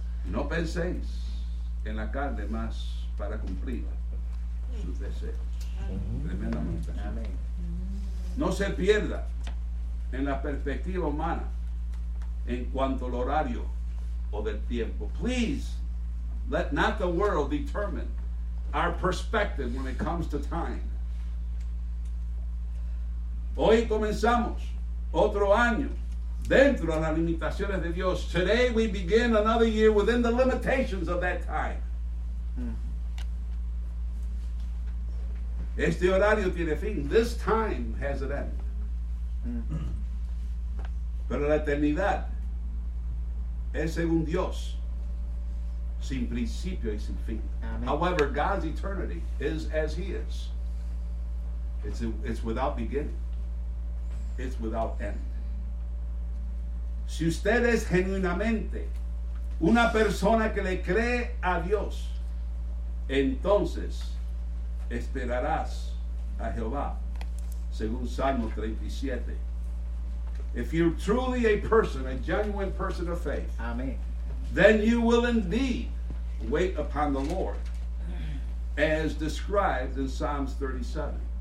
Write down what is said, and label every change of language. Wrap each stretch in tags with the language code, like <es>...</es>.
<es>No penséis en la carne más para cumplir sus deseos. Amén. Tremendamente. Amén. No se pierda en la perspectiva humana, en cuanto al horario o del tiempo.</es> <en>Please, let not the world determine our perspective when it comes to time.</en> <es>Hoy comenzamos otro año dentro de las limitaciones de Dios.</es> <en>Today we begin another year within the limitations of that time.</en> <es>Este horario tiene fin.</es> <en>This time has an end.</en> <es>Pero la eternidad es según Dios, sin principio y sin fin. Amen.</es> <en>However, God's eternity is as he is. It's without beginning. It's without end.</en> <es>Si usted es genuinamente una persona que le cree a Dios, entonces esperarás a Jehová, según Salmo 37.</es> <en>If you're truly a person, a genuine person of faith, amen, then you will indeed wait upon the Lord, as described in Psalms 37.</en>